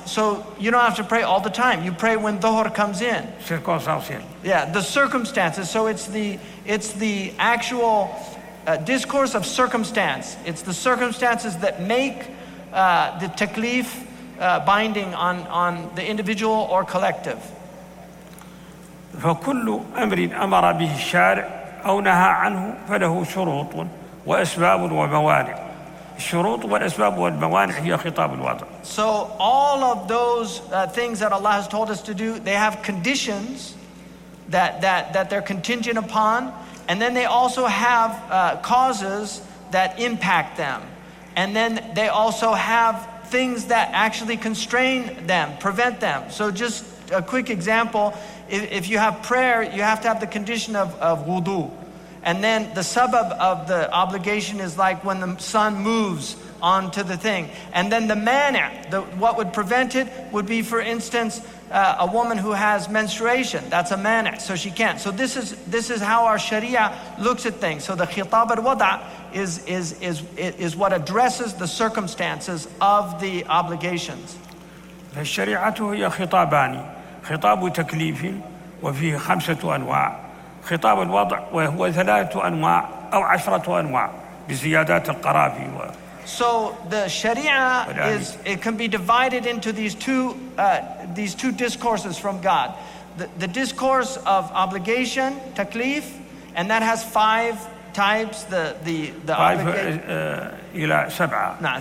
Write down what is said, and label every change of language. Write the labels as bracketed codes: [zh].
[en] So you don't have to pray all the time. You pray when dhuhr comes in. Circumstances. Yeah, the circumstances. So it's the actual discourse of circumstance. It's the circumstances that make the taklif binding on the individual or collective. [ar] فكل أمر أمر به الشارع أو نهى عنه فله شروط وأسباب وموانع. الشروط والأسباب والموانع هي خطاب الوضع. [en] So all of those things that Allah has told us to do, they have conditions that they're contingent upon, and then they also have causes that impact them, and then they also have things that actually constrain them, prevent them. So just a quick example, if you have prayer, you have to have the condition of wudu. And then the sabab of the obligation is like when the sun moves onto the thing. And then the mani', what would prevent it, would be, for instance, a woman who has menstruation. That's a mani', so she can't. So this is how our Sharia looks at things. So the khitab al-wada is what addresses the circumstances of the obligations. [ar] الشريعة هي خطابان، خطاب تكليف وفيه خمسة أنواع، خطاب الوضع وهو ثلاثة أنواع أو عشرة أنواع بزيادات القرابي. [en] So the Sharia is, it can be divided into these two discourses from God. The discourse of obligation, تكليف, and that has five t- types, the five [ar] إلى سبعة.